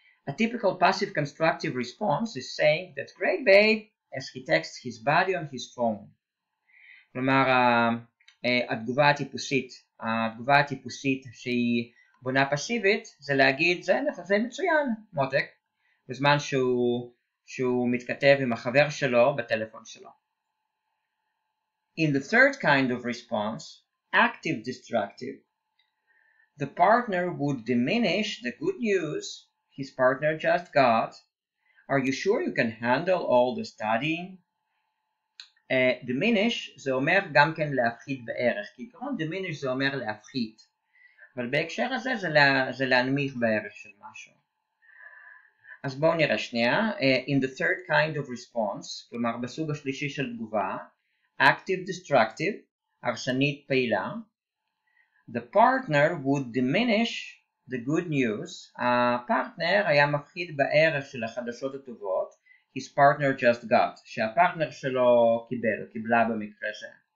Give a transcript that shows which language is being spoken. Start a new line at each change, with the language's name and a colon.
English: A typical passive constructive response is saying, that's great babe, as he texts his body on his phone.
Hebrew: כלומר, התגובה הטיפוסית, התגובה הטיפוסית שהיא בונה פסיבית, זה להגיד, זה מצוין, מותק, בזמן שהוא מתכתב עם החבר שלו בטלפון שלו.
English: In the third kind of response, active destructive, the partner would diminish the good news his partner just got. Are you sure you can handle all the studying?
Hebrew: Diminish זה אומר גם כן להפחית בערך, כי כמובן diminish זה אומר להפחית. אבל בהקשר הזה זה להנמיך בערך של משהו. אז בואו נראה שנייה.
English: In the third kind of response,
Hebrew: כלומר בסוג השלישי של תגובה,
English: active destructive,
Hebrew: הרסנית פעילה,
English: the partner would diminish the good news,
Hebrew: הפרטנר היה מפחיד בערך של החדשות הטובות,
English: his partner just got,
Hebrew: שהפרטנר שלו קיבל, קיבלה במקרה זה.